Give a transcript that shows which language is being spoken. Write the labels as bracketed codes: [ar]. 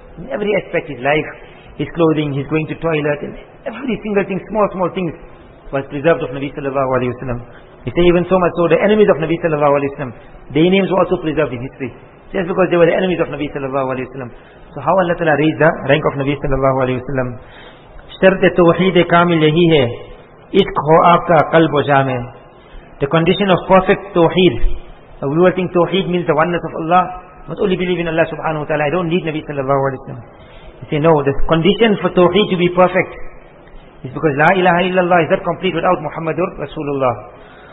[en] In every aspect, his life, his clothing, his going to toilet, and every single thing, small things, was preserved of Nabi sallallahu alayhi wa sallam. He said even so much so, the enemies of Nabi sallallahu alayhi wa sallam, their names were also preserved in history. Just because they were the enemies of Nabi sallallahu alayhi wa sallam. So how Allah ta'ala raised the rank of Nabi sallallahu alayhi wa sallam. [ur] شرط توحید کامل یہی ہے عشق ہو آپ کا قلب و جامع. [en] The condition of perfect tawheed, we were thinking tawheed means the oneness of Allah, must only believe in Allah subhanahu wa ta'ala, I don't need Nabi sallallahu alayhi wa sallam. You say no, the condition for tawheed to be perfect is because La ilaha illallah is not complete without Muhammadur Rasulullah.